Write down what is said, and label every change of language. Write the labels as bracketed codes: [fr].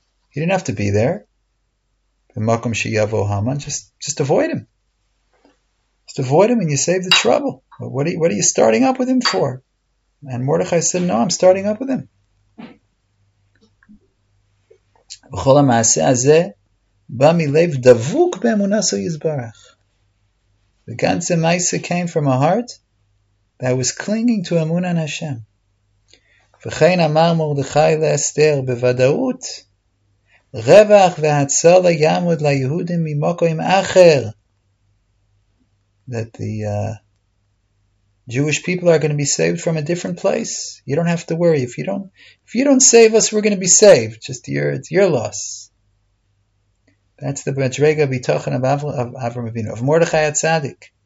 [en] He didn't have to be there. [he] B'makom sheyavo Haman, [en] just avoid him. Just avoid him and you save the trouble. What are you starting up with him for? And Mordechai said, no, I'm starting up with him. [he] וכל המעשה הזה בא מלב דבוק באמונה שהוא יזברך. וגם זה מעשה [en] came from a heart that was clinging to [he] אמונה על השם. וכן אמר מרדכי לאסתר בוודאות, רווח והצלה יעמוד ליהודים ממקום אחר. [en] That the Jewish people are going to be saved from a different place. You don't have to worry. If you don't save us, we're going to be saved. It's your loss. That's the Madrega Bitochen of Avraham Avinu, of Mordechai HaTzadik.